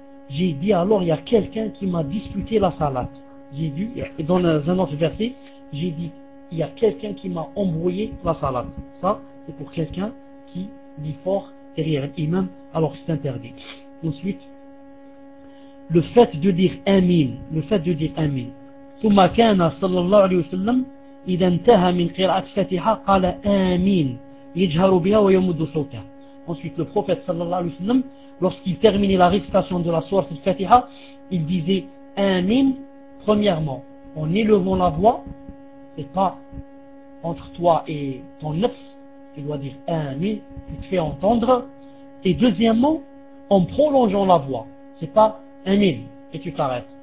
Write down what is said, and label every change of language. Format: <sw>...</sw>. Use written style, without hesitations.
<fr>J'ai dit alors il y a quelqu'un qui m'a disputé la salat. J'ai dit, et dans un autre verset, j'ai dit il y a quelqu'un qui m'a embrouillé la salat. Ça, c'est pour quelqu'un qui lit fort derrière l'imam, alors c'est interdit. Ensuite, le fait de dire amin, le fait de dire amin.</fr> <ar>ثم كان صلى الله عليه وسلم إذا انتهى من قراءة الفاتحة قال آمين يجهر بها ويمد صوته.</ar> <fr>Ensuite, le prophète sallallahu alayhi wa sallam, lorsqu'il terminait la récitation de la sourate al-Fatiha, il disait Amin, premièrement, en élevant la voix, et pas entre toi et ton nefs, tu dois dire Amin, tu te fais entendre, et deuxièmement, en prolongeant la voix, c'est pas Amin, et tu t'arrêtes.</fr>